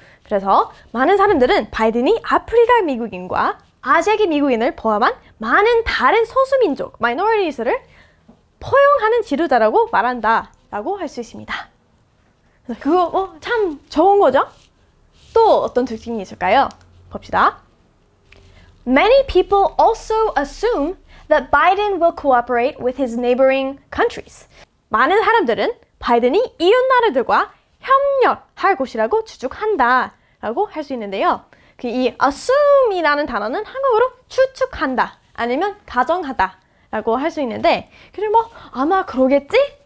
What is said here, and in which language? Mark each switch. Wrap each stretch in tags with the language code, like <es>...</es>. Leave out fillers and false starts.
<ko>그래서 많은 사람들은 바이든이 아프리카 미국인과 아시아계 미국인을 포함한 많은 다른 소수민족, minorities를 포용하는 지도자라고 말한다 라고 할 수 있습니다. 그거 참 좋은 거죠? 또 어떤 특징이 있을까요? 봅시다.</ko> <en>Many people also assume that Biden will cooperate with his neighboring countries.</en> <ko>많은 사람들은 바이든이 이웃 나라들과 협력할 것이라고 추측한다 라고 할 수 있는데요. 그 이 assume이라는 단어는 한국어로 추측한다 아니면 가정하다 라고 할 수 있는데, 그리고 뭐 아마 그러겠지?</ko>